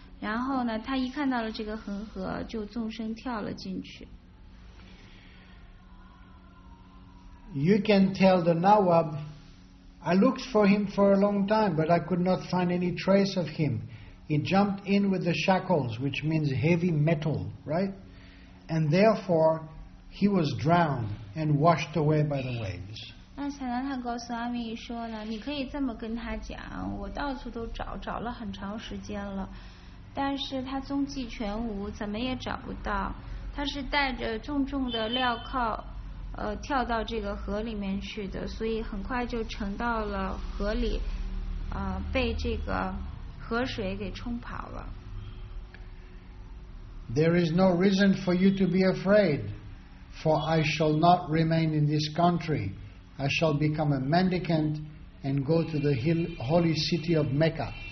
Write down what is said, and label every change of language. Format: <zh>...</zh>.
<zh>然后呢，他一看到了这个恒河，就纵身跳了进去。</zh> <en>You can tell the Nawab, I looked for him for a long time, but I could not find any trace of him. He jumped in with the shackles, which means heavy metal, right? And therefore, he was drowned and washed away by the waves.</en> <zh>那才能他告诉阿米说呢，你可以这么跟他讲，我到处都找，找了很长时间了。但是他踪迹全无，怎么也找不到。他是带着重重的镣铐，跳到这个河里面去的，所以很快就沉到了河里，被这个河水给冲跑了。</zh> <en>There is no reason for you to be afraid, for I shall not remain in this country. I shall become a mendicant and go to the holy city of Mecca.</en>